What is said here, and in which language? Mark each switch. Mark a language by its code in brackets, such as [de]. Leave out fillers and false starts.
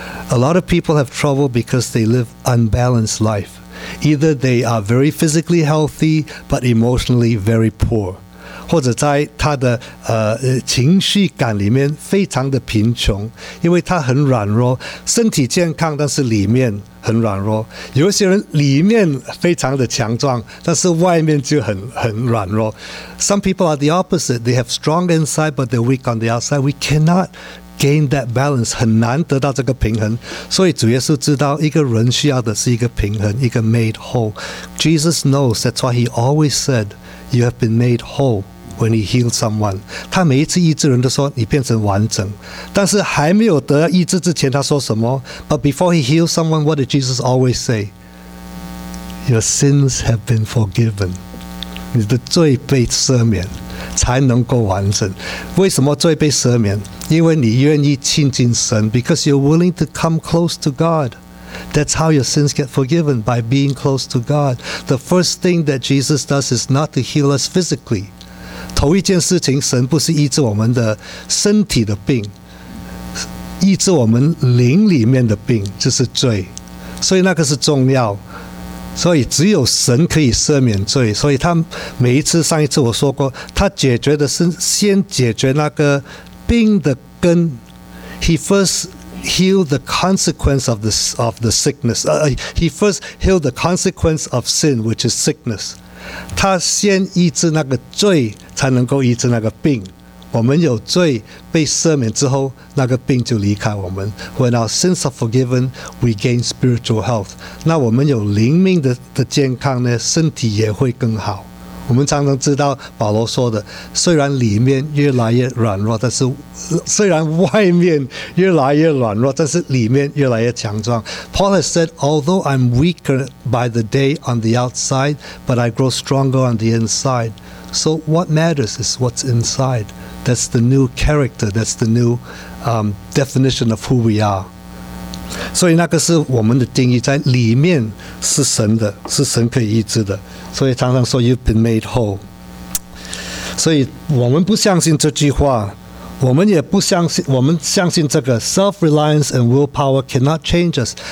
[en] A lot of people have trouble because they live unbalanced life. Either they are very physically healthy, but emotionally very poor. [zh] 或者在他的情绪感里面非常的贫穷，因为他很软弱，身体健康，但是里面很软弱。有些人里面非常的强壮，但是外面就很软弱。 [en] Some people are the opposite. They have strong inside, but they're weak on the outside. We cannot gain that balance. [zh] 很难得到这个平衡。所以主耶稣知道，一个人需要的是一个平衡，一个 [en] made whole. Jesus knows. That's why he always said, "You have been made whole." When he healed someone, [zh] 他每一次医治人都说你变成完整，但是还没有得医治之前，他说什么 ？ [en] But before he healed someone, what did Jesus always say? Your sins have been forgiven. [zh] 你的罪被赦免，才能够完整。为什么罪被赦免？因为你愿意亲近神 ， [en] because you're willing to come close to God. That's how your sins get forgiven, by being close to God. The first thing that Jesus does is not to heal us physically. [zh] 头一件事情，神不是医治我们的身体的病，医治我们灵里面的病，就是罪。所以那个是重要。所以只有神可以赦免罪。所以他每一次，上一次我说过，他解决的是先解决那个病的根。 [en] He firstHeal the consequence of the sickness. He first healed the consequence of sin, which is sickness. [zh] 他先医治那个罪，才能够医治那个病。我们有罪被赦免之后，那个病就离开我们。 [en] When our sins are forgiven, we gain spiritual health. [zh] 那我们有灵命的健康呢，身体也会更好。我们常常知道保罗说的，虽然里面越来越软弱，但是虽然外面越来越软弱，但是里面越来越强壮。 [en] Paul has said, although I'm weaker by the day on the outside, but I grow stronger on the inside. So what matters is what's inside. That's the new character, that's the new definition of who we are. [zh] 所以那个是我们的定义，在里面是神的，是神可以医治的。所以常常说 [en] You've been made whole。 [zh] 所以我们不相信这句话，我们也不相信，我们相信这个 [en] Self-reliance and willpower cannot change us。